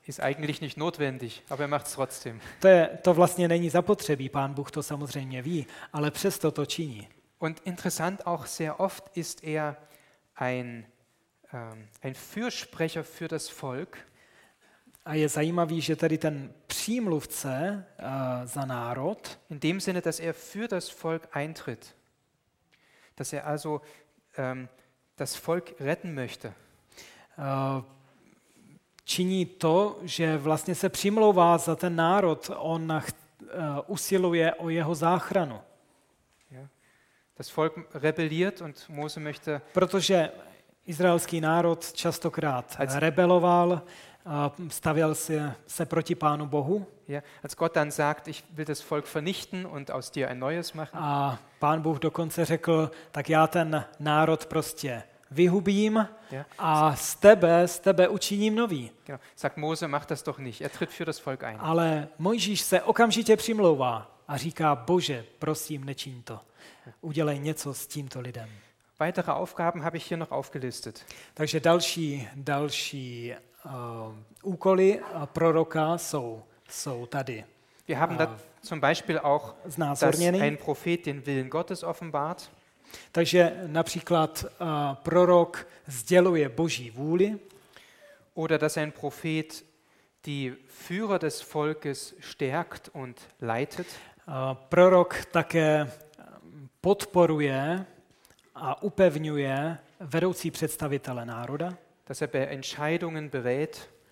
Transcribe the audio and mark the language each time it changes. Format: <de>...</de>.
<de>Ist eigentlich nicht notwendig, aber er macht's trotzdem.</de> <cs>To vlastně není zapotřebí, Pán Bůh to samozřejmě ví, ale přesto to činí.</cs> <de>Und interessant auch sehr oft ist er ein Fürsprecher für das Volk.</de> <cs>A je zajímavý, že tady ten přímluvce za národ,</cs> <de>in dem Sinne, dass er für das Volk eintritt. Dass er also das Volk retten möchte.</de> <cs>Činí to, že vlastně se přimlouvá za ten národ, on usiluje o jeho záchranu.</cs> <de>Ja. Das Volk rebelliert und Mose möchte.</de> <cs>Protože izraelský národ častokrát rebeloval, stavěl se proti Pánu Bohu.</cs> <de>Ja. Als Gott dann sagt, ich will das Volk vernichten und aus dir ein neues machen.</de> <cs>A Pán Bůh dokonce řekl, tak já ten národ prostě vyhubím a z tebe učiním nový.</cs> <de>Sagt Mose, mach das doch nicht. Er tritt für das Volk ein.</de> <cs>Ale Mojžíš se okamžitě přimlouvá a říká: Bože, prosím, nečin to. Udělej něco s tímto lidem.</cs> <de>Weitere Aufgaben habe ich hier noch aufgelistet.</de> <cs>Takže další úkoly proroka jsou tady.</cs> <de>Wir haben da zum Beispiel auch, dass ein Prophet den Willen Gottes offenbart.</de> <cs>Takže například prorok sděluje Boží vůli.</cs> <de>Oder dass ein Prophet die Führer des Volkes stärkt und leitet.</de> <cs>Prorok také podporuje a upevňuje vedoucí představitele národa.</cs> <de>Dass er bei Entscheidungen berät.</de>